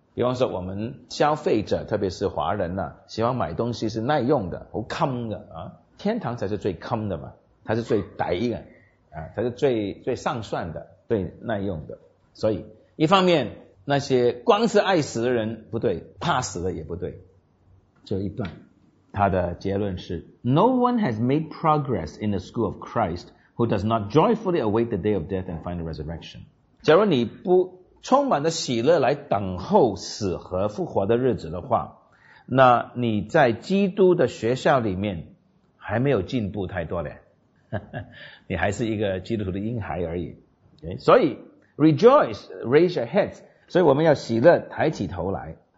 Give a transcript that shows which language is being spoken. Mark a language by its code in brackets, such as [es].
[zh] 比方说我们消费者，特别是华人呢，喜欢买东西是耐用的，好坑的啊，天堂才是最坑的嘛，它是最歹的啊，它是最上算的，最耐用的。所以一方面那些光是爱死的人不对，怕死的也不对。这一段他的结论是 [en] No one has made progress in the school of Christ who does not joyfully await the day of death and final resurrection。 [zh] 假如你不充满着喜乐来等候死和复活的日子的话，那你在基督的学校里面还没有进步太多咧，你还是一个基督徒的婴孩而已。所以 [en] rejoice, raise your heads, [zh] 所以我们要喜乐，抬起头来。